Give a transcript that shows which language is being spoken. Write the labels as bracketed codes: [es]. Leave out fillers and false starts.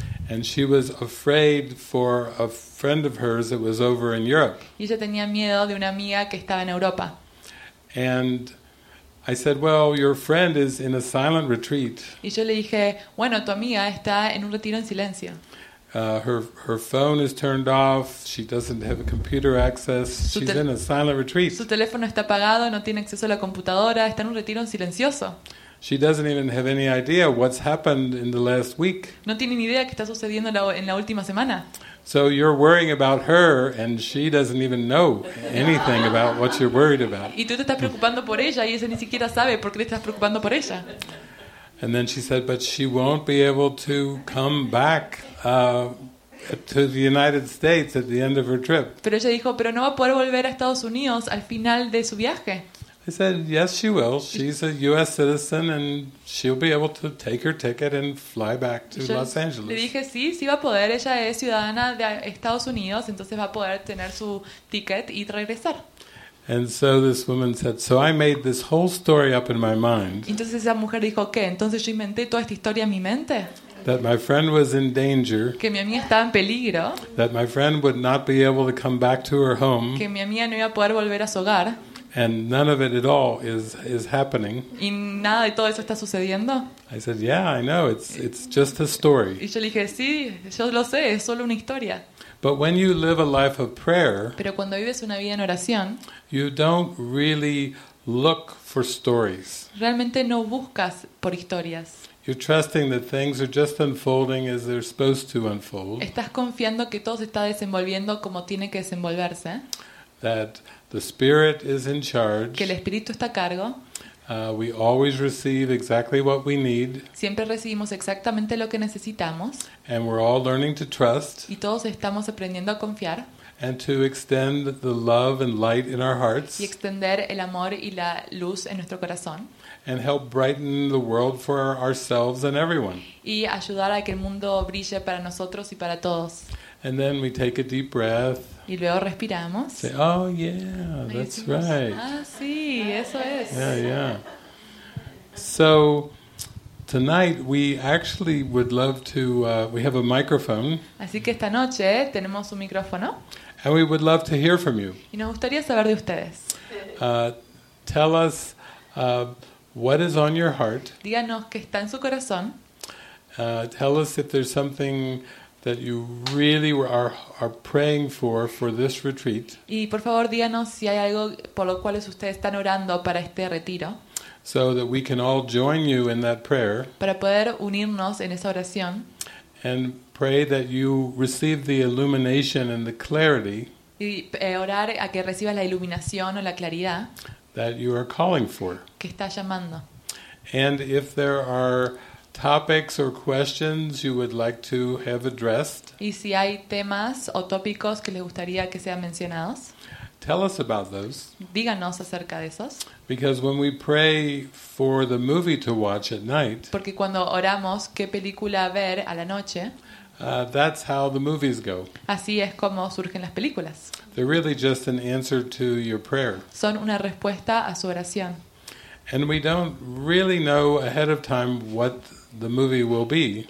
[en] And she was afraid for a friend of hers that was over in Europe. [es] Y ella tenía miedo de una amiga que estaba en Europa. [en] And I said, "Well, your friend is in a silent retreat." [es] Y yo le dije, "Bueno, tu amiga está en un retiro en silencio." [en] Her phone is turned off. She doesn't have a computer access. She's in a silent retreat. [es] Su teléfono está apagado, no tiene acceso a la computadora, está en un retiro en silencioso. [en] She doesn't even have any idea what's happened in the last week. [es] No tiene ni idea qué está sucediendo en la última semana. [en] So you're worrying about her and she doesn't even know anything about what you're worried about. [es] Y tú te estás preocupando por ella y ella ni siquiera sabe por qué te estás preocupando por ella. [en] And then she said, "But she won't be able to come back to the United States at the end of her trip." [es] Pero ella dijo, "Pero no va a poder volver a Estados Unidos al final de su viaje." [en] I said, "Yes, she will. She's a U.S. citizen, and she'll be able to take her ticket and fly back to Los Angeles." [es] Le dije, "Sí, sí va a poder. Ella es ciudadana de Estados Unidos, entonces va a poder tener su ticket y regresar." [en] And so this woman said, "So I made this whole story up in my mind." [es] Entonces esa mujer dijo, "¿Qué? Entonces yo inventé toda esta historia en mi mente." [en] that my friend was in danger, [es] que mi amiga estaba en peligro, [en] that my friend would not be able to come back to her home, [es] que mi amiga no iba a poder volver a su hogar, [en] and none of it at all is happening. [es] Y nada de todo eso está sucediendo. [en] I said, yeah, I know, it's just a story. [es] Y yo le dije, sí, yo lo sé, es solo una historia. [en] But when you live a life of prayer, [es] pero cuando vives una vida en oración, [en] you don't really look for stories. [es] Realmente no buscas por historias. [en] You're trusting that things are just unfolding as they're supposed to unfold. [es] Estás confiando que todo se está desenvolviendo como tiene que desenvolverse. [en] That the Spirit is in charge. [es] Que el Espíritu está a cargo. [en] We always receive exactly what we need. [es] Siempre recibimos exactamente lo que necesitamos. [en] And we're all learning to trust. [es] Y todos estamos aprendiendo a confiar. [en] And to extend the love and light in our hearts. [es] Y extender el amor y la luz en nuestro corazón. [en] And help brighten the world for ourselves and everyone. [es] Y ayudar a que el mundo brille para nosotros y para todos. [en] And then we take a deep breath. [es] Y luego respiramos. [en] Say, oh yeah, that's right. [es] Ah, sí, eso es. [en] Yeah, yeah. So tonight we actually would love to. We have a microphone. [es] Así que esta noche tenemos un micrófono. [en] And we would love to hear from you. [es] Y nos gustaría saber de ustedes. [en] Tell us what is on your heart. [es] Díganos qué está en su corazón. [en] Tell us if there's something that you really are praying for this retreat. [es] Y por favor, díganos si hay algo por lo cual ustedes están orando para este retiro. [en] So that we can all join you in that prayer. [es] Para poder unirnos en esa oración. [en] And pray that you receive the illumination and the clarity. [es] Y orar a que recibas la iluminación o la claridad. [en] That you are calling for. [es] Que estás llamando. [en] And if there are topics or questions you would like to have addressed. [es] Y si hay temas o tópicos que les gustaría que sean mencionados. [en] Tell us about those. [es] Díganos acerca de esos. [en] Because when we pray for the movie to watch at night. [es] Porque cuando oramos qué película ver a la noche. [en] That's how the movies go. [es] Así es como surgen las películas. [en] They're really just an answer to your prayer. [es] Son una respuesta a su oración. [en] And we don't really know ahead of time what the movie will be.